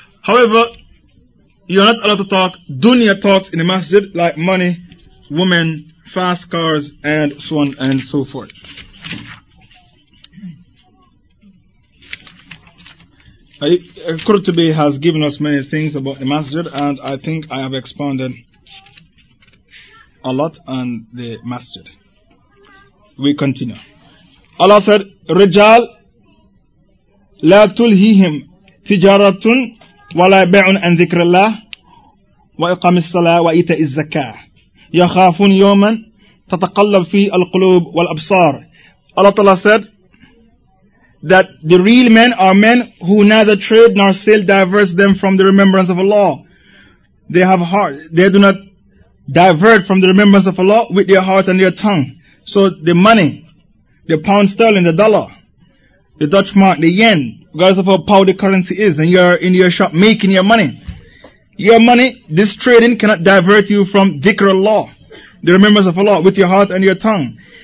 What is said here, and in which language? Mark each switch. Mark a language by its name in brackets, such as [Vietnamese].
[English] However, you are not allowed to talk dunya talks in the masjid, like money, women, fast cars, and so on and so forth. Qurtubi has given us many things about the masjid, and I think I have expounded a lot on the masjid. We continue. Allah said, [Arabic] رجال لا تلهيهم تجارة ولا بيع عن ذكر الله وإقام الصلاة وإيتاء الزكاة يخافون يوما تتقلب في القلوب والأبصار. [English] Allah said that the real men are men who neither trade nor sell diverts them from the remembrance of Allah. They have heart. They do not divert from the remembrance of Allah with their heart and their tongue. So the money, the pound sterling, the dollar, the Dutch mark, the yen, regardless of how powerful the currency is, and you're in your shop making your money, your money, this trading cannot divert you from dhikr Allah, the remembrance of Allah, with your heart and your tongue.